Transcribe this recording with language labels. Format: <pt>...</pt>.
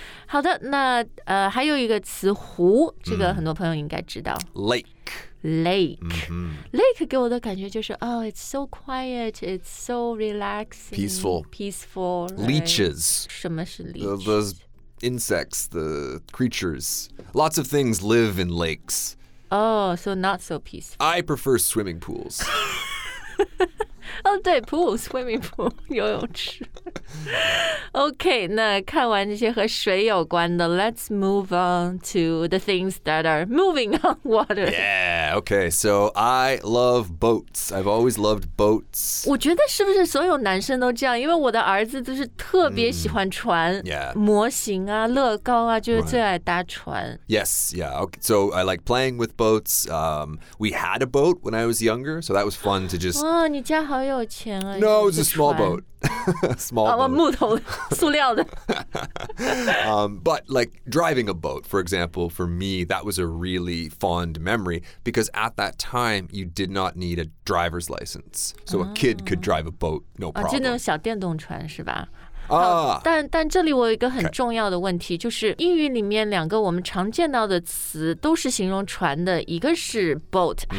<zh>好的那还有一个词湖这个很多朋友应该知道。</zh> <en>Mm-hmm. Lake. Lake.、 Mm-hmm. Lake</en> <zh>给我的感觉就是</zh> <en>oh, it's so quiet, it's so relaxing. Peaceful. Peaceful.、Right? Leeches.</en> <zh>什么是 leeches?</zh> <en>Those... insects, the creatures. Lots of things live in lakes. Oh, so not so peaceful. I prefer swimming pools. oh, 对 pool, swimming pool, 游泳池 OK,</en> <zh>那看完这些和水有关的</zh> <en>let's move on to the things that are moving on water. Yeah, OK, so I love boats. I've always loved boats.</en> <zh>我觉得是不是所有男生都这样因为我的儿子就是特别喜欢船、</zh> <en>mm, yeah.</en> <zh>模型啊乐高啊就是最爱搭船、</zh> <en>right. Yes, yeah,、okay. so I like playing with boats. We had a boat when I was younger, so that was fun to just...</en> <zh>哇你家好有钱啊</zh> <en>No, it was a small boat. small boat.</en> <zh>木头塑料的</zh> <en>but like driving a boat, for example, for me, that was a really fond memory because at that time, you did not need a driver's license. So a kid could drive a boat, no problem.</en> <zh>就那种小电动船是吧但这里我有一个很重要的问题、okay. 就是英语里面两个我们常见到的词都是形容船的，一个是 boat、mm.</zh>